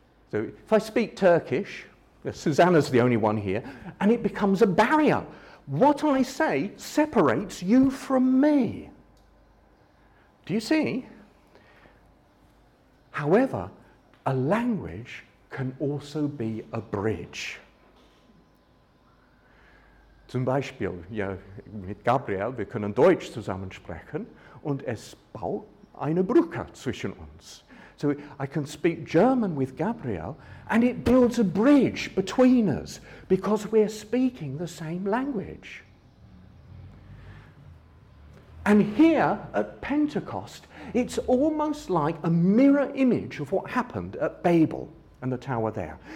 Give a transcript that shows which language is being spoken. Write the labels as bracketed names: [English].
[English] So if I speak Turkish, Susanna's the only one here, and it becomes a barrier. What I say separates you from me. Do you see? However, a language can also be a bridge. [German] Zum Beispiel, ja, mit Gabriel, wir können Deutsch zusammensprechen und es baut eine Brücke zwischen uns. [English] So I can speak German with Gabriel and it builds a bridge between us because we're speaking the same language. And here at Pentecost, it's almost like a mirror image of what happened at Babel. And the tower there.